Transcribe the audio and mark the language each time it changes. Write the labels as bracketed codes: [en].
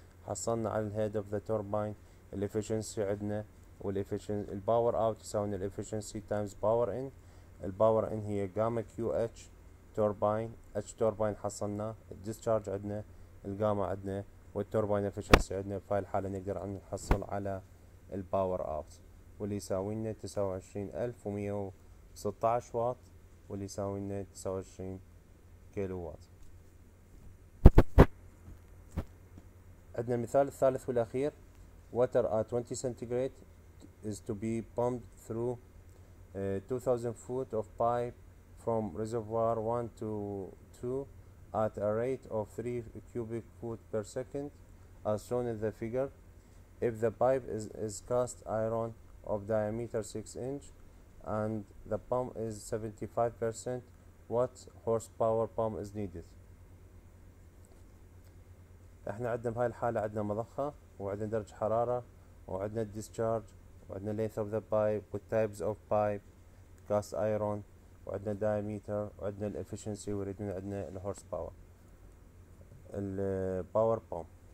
[ar] حصلنا على [en] الهيد of the turbine [ar] الافشنسي عندنا، والافشنسي الباور اوت يساوي لنا الافشنسي [en] times power in, [ar] الباور ان هي جاما كيو اتش توربين، اتش توربين حصلنا، الديسشارج عندنا، الجاما عندنا، والتوربين افشنسي عندنا، بهاي الحالة نقدر نحصل على الباور اوت واللي يساوي لنا 29116 واط، واللي يساوي لنا 29 كيلو واط. عندنا المثال الثالث والاخير، [en] water at 20 centigrade is to be pumped through 2000 foot of pipe from reservoir 1 to 2 at a rate of 3 cubic foot per second as shown in the figure. If the pipe is cast iron of diameter 6 inch and the pump is 75%, what horsepower pump is needed? [ar] احنا عندنا بهاي الحالة عندنا مضخة وعندنا درجة حرارة وعندنا الديسشارج وعندنا [en] length of the pipe [ar] وال [en] types of pipe cast iron [ar] وعندنا diameter وعندنا الافشنسي ويريدون عندنا الهورس باور الباور بومب.